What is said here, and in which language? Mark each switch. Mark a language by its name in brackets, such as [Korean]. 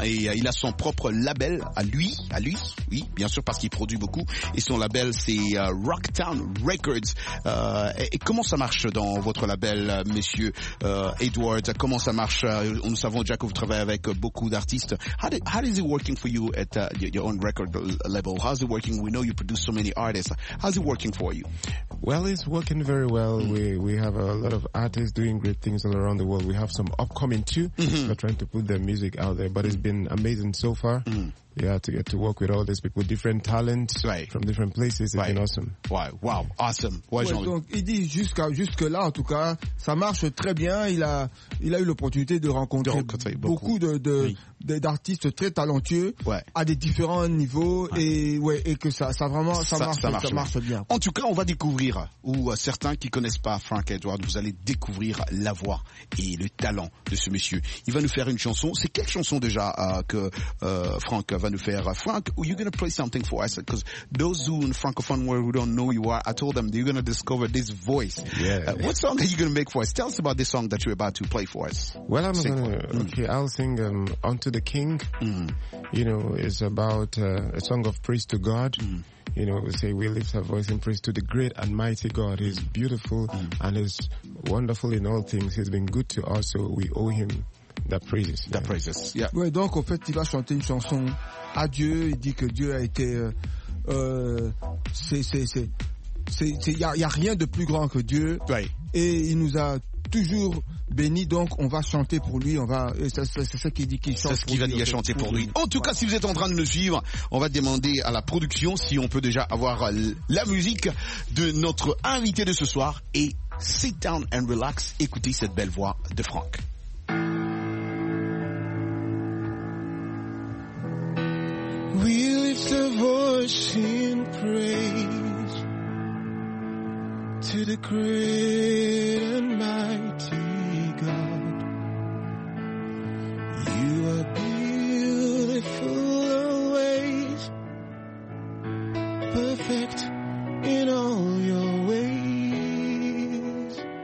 [French] Et il a son propre label à lui, oui, bien sûr, parce qu'il produit beaucoup. Et son label, c'est Rocktown Records. Et comment ça marche dans votre label, monsieur Edward? Comment ça marche? Nous savons déjà que vous travaillez avec beaucoup d'artistes. [English] How is it working for you at your own record label? How's it working? We know you produce so many artists. How's it working for you? Well, it's working very well. We have a lot of artists doing great things all around the world. We have some upcoming too. They're trying to put their music out there, but it's been amazing so far. Yeah, to get to work with all these people, different talents, right, from different places, it's right, been awesome. Wow, awesome. [French] Ouais, ouais, donc il dit jusque là, en tout cas, ça marche très bien. Il a eu l'opportunité de rencontrer beaucoup d'artistes très talentueux, ouais, à des différents niveaux, et que ça marche bien. En tout cas, on va découvrir, ou certains qui connaissent pas Frank Edward, vous allez découvrir la voix et le talent de ce monsieur. Il va nous faire une chanson. C'est quelle chanson déjà Frank, [English] are you going to play something for us? Because those who in Francophone world who don't know who you are, I told them that you're going to discover this voice. Yeah. What song are you going to make for us? Tell us about this song that you're about to play for us. Well, I'm going to, I'll sing Unto the King. You know, it's about a song of praise to God. you know, we say we lift our voice in praise to the great and mighty God. He's beautiful and is wonderful in all things. He's been good to us, so we owe him the praises. The praises. Yeah. [French] Ouais, donc en fait, il va chanter une chanson à Dieu. Il dit que Dieu a été il y a rien de plus grand que Dieu. [English] Right. [French] Et il nous a toujours béni, donc on va chanter pour lui, on va, c'est ça qu'il dit qu'il chante. C'est ce qu'il va dire, chanter pour lui. En tout cas, si vous êtes en train de nous suivre, on va demander à la production si on peut déjà avoir la musique de notre invité de ce soir et [English] sit down and relax, [French] écoutez cette belle voix de Franck. [English] We lift a voice in praise to the great and mighty God. You are beautiful always, perfect in all your ways.